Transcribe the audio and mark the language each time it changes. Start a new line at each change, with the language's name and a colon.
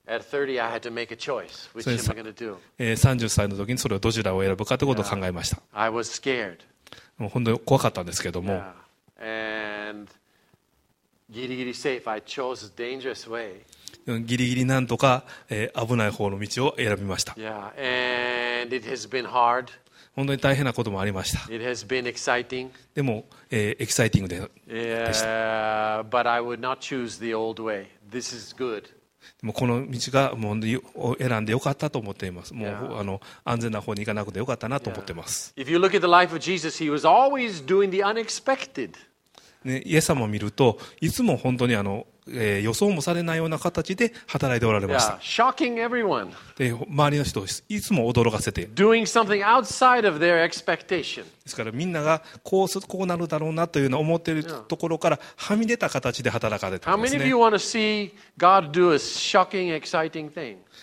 English: At 30, I had to make a choice, which am I going to do?
Japanese: 30歳の時にそれをどちらを選ぶかということを考えました。
English: Yeah. I was scared.
Japanese: もう本当に怖かったんですけども。
English: Yeah. And ギリギリ safe, I chose a dangerous way.
Japanese: ギリギリなんとか、危ない方の道を選びました。
English: Yeah. And it has been hard.
Japanese: 本当に大変なこともありました。
English: It has been exciting.
Japanese: でも、エキサイティングでした。
English: Yeah. But I would not choose the old way. This is good.
Japanese: でもこの道がもう選んでよかったと思っています。もう、yeah. 安全な方に行かなくてよかったなと思っています。
English: If you look at the life of Jesus, he was always doing the unexpected.、
Japanese: ね、イエス様を見るといつも本当に予想もされないような形で働いておられました。
English: Yeah. Shocking everyone.
Japanese: で周りの人をいつも驚かせて
English: doing something outside of their expectation.
Japanese: ですからみんながこうなるだろうなというのを思っているところからはみ出た形で働かれたんですね。
English: How many of you want to see God do a shocking, exciting thing?